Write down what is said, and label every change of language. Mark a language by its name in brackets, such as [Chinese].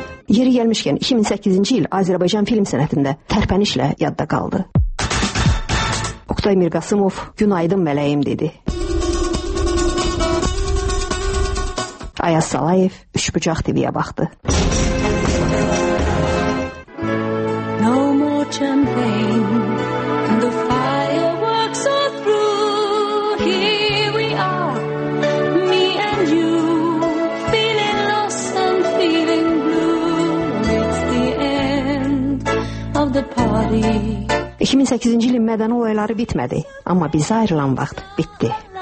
[Azerbaijani] Yeri gəlmişkən 2008-ci il Azərbaycan film sənətində tərpənişlə yadda qaldı. Oktay Mirqasımov günaydın mələyim dedi. Ayaz Salayev Üç Bucaq TV-yə baxdı. [English] No more champagne, the fireworks are through. Here we are, me and you, feeling lost and feeling blue. It's the end of the party. [Azerbaijani] 2008-ci ilin mədəni olayları bitmədi, amma bizə ayrılan vaxt bitdi.